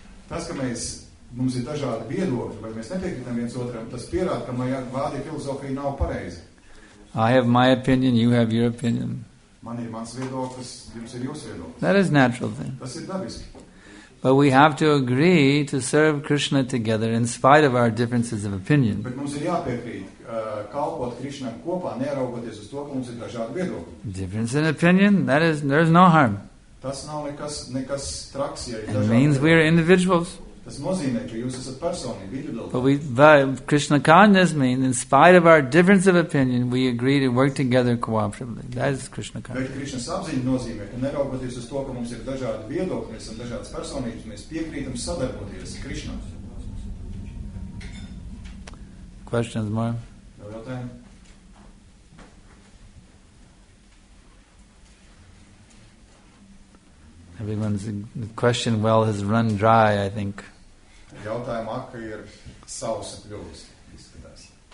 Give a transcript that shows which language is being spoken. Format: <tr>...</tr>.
<lv>Tas, ka mums ir dažādi viedokļi, vai mēs nepiekritam viens otram, tas pierāda, ka Mayavadi filozofija nav pareiza.</lv> <en>I have my opinion, you have your opinion.</en> <lv>Man ir mans viedoklis, jums ir jūsu viedoklis.</lv> <en>That is natural thing.</en> <lv>Tas ir dabiski.</lv> <en>But we have to agree to serve Krishna together in spite of our differences of opinion.</en> <lv>Bet mums ir jāpiekrīt, kalpot Krišnam kopā, neraugoties uz to, ka mums ir dažādi viedokļi.</lv> <en>Difference in opinion, there is no harm.</en> <lv>Tas nav nekas traks, ja ir dažādi.</lv> <en>It means we are individuals.</en> <lv>Tas nozīmē, ka jūs esat personīgi.</lv> <en>But we, by Krishna consciousness means, in spite of our difference of opinion, we agree to work together cooperatively. That is Krishna consciousness.</en> <lv>Bet Krishna apziņa nozīmē, ka neraugoties uz to, ka mums ir dažādi viedokļi, mēs esam dažādas personības, mēs piekrītam sadarboties Krishna.</lv> <en>Questions more? Everyone's question well has run dry, I think.</en> <lv>Jautājumu aka ir sausa kļuvis, izskatās.</lv>